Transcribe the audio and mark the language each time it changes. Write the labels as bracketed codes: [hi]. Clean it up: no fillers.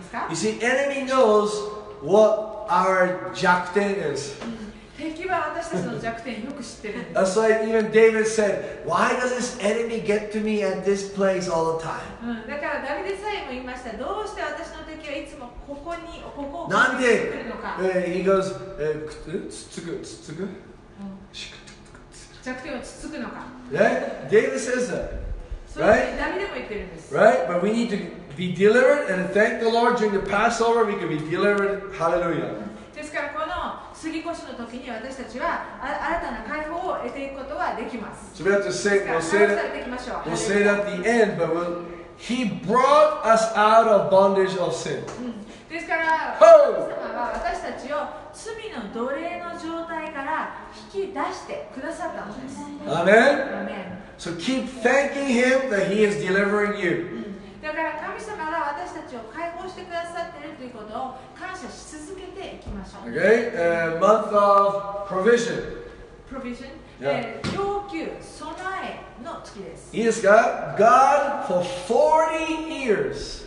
[en] You see, enemy knows what our 弱点 is. [ja] 敵は私たちの弱点よく知ってる。 [en] That's why even David said, why does this enemy get to me at this place all the time? [ja] だからダビデさえも言いました。どうして私の敵はいつもここに、ここを来てくるのか。なんで [en] He goes, [ja] つつく弱点をつつくのか。 [en] Yeah, David says that. Right? [ja] ダビデも言ってるんです。 [en] Right? But we need to... Be delivered and thank the Lord during the Passover. We can be delivered. Hallelujah. [ja] ですからこの過ぎ越しの時に私たちは新たな解放を得ていくことはできます。 [en] So we have to say, we'll say that at the end, but we'll, He brought us out of bondage of sin. [ja] ですから神様は私たちを罪の奴奴隷の状態から引き出してくださったのです。アメン。 [en] So keep thanking him that he is delivering you. [ja] だから神様が私たちを解放してくださっているということを感謝し続けていきましょう。 [en] Okay, month of provision. Provision. Yeah. [ja] 要求、備えの月です。いいですか [en] ?God for 40 years、